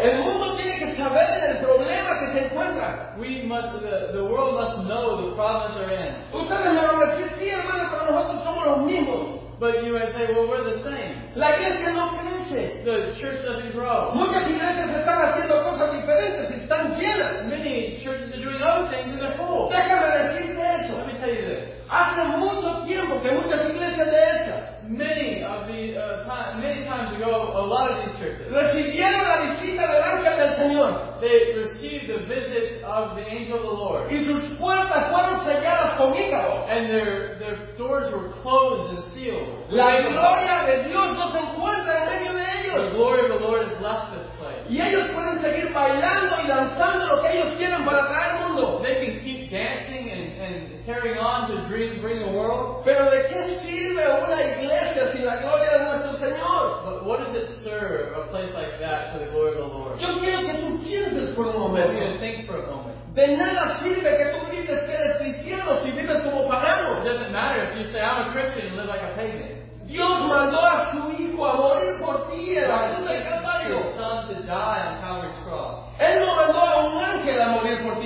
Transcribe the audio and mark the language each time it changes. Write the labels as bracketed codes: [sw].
[es] El mundo tiene que saber el problema que se encuentra. [en] We must, the world must know the problems they're in. [es] Ustedes me van a decir, sí, hermano, pero nosotros somos los mismos. [en] But you may say, well, we're the same. [es] La iglesia no crece. [en] The church doesn't grow. [es] Muchas iglesias están haciendo cosas diferentes y están llenas. [en] Many churches are doing other things and they're full. [es] Déjame decirte eso. [en] Let me tell you this. [es] Hace mucho tiempo que muchas iglesias de esas, [en] many times ago, a lot of these churches [es] recibieron la visita del ángel del Señor. [en] They received the visit of the angel of the Lord. [es] Y sus puertas fueron selladas con ícaro. [en] And their doors were closed and sealed. [es] La gloria de Dios no se encuentra en medio de ellos. [en] The glory of the Lord has left this place. [es] Y ellos pueden seguir bailando y lanzando lo que ellos quieren para traer al mundo. [en] They can keep dancing and carrying on to bring the world. [es] Pero de qué sirve una iglesia sin la gloria de nuestro Señor? [en] But what does it serve, a place like that, for the glory of the Lord? [es] Yo quiero que tú pienses por un momento. [en] I want you to think for a moment. [es] De nada sirve que tú grites que eres cristiano si vives como pagano. [en] It doesn't matter if you say, I'm a Christian and live like a pagan. [es] Dios mandó a su Hijo a morir por ti en la cruz del Calvario. [en] Son to die on Calvary's cross. [es] Él no mandó a un ángel a morir por ti.